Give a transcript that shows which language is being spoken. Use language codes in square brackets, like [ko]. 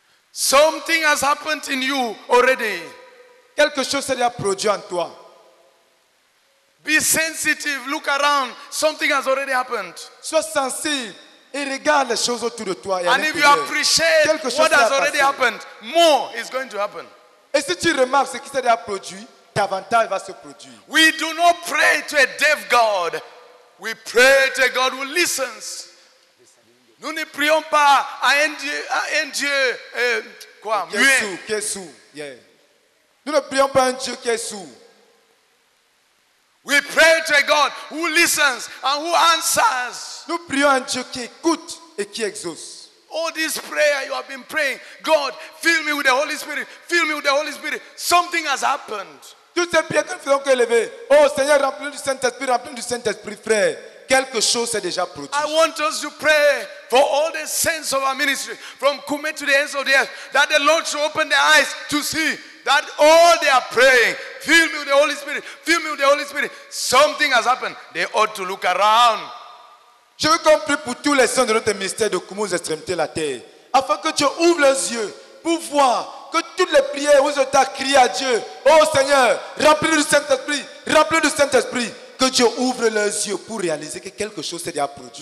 [en] Something has happened in you already. [fr] Quelque chose s'est déjà produit en toi. [en] Be sensitive, look around. Something has already happened. [fr] Sois sensible et regarde les choses autour de toi. [en] And if you appreciate what has already happened, more is going to happen. [fr] Et si tu remarques ce qui s'est déjà produit, davantage va se produire. [en] We do not pray to a deaf God. We pray to a God who listens. [fr] Nous ne prions pas à un Dieu muet. Nous ne prions pas à un Dieu qui est sourd. [en] We pray to a God who listens and who answers. [fr] Nous prions à un Dieu qui écoute et qui exauce. [en] All this prayer you have been praying, God, fill me with the Holy Spirit, fill me with the Holy Spirit. Something has happened. [fr] Toutes ces prières que nous faisons qu'élever, oh Seigneur, remplis du Saint-Esprit, frère. Quelque chose s'est déjà produit. [en] I want us to pray for all the saints of our ministry, from Koumé to the ends of the earth, that the Lord should open their eyes to see that all they are praying, fill me with the Holy Spirit, fill me with the Holy Spirit. Something has happened. They ought to look around. [fr] Je veux qu'on prie pour tous les saints de notre ministère de Koumé aux extrémités de la terre, afin que Dieu ouvre leurs yeux pour voir que toutes les prières où je t'ai crié à Dieu, oh Seigneur, remplis du Saint-Esprit, que Dieu ouvre leurs yeux pour réaliser que quelque chose s'est déjà produit.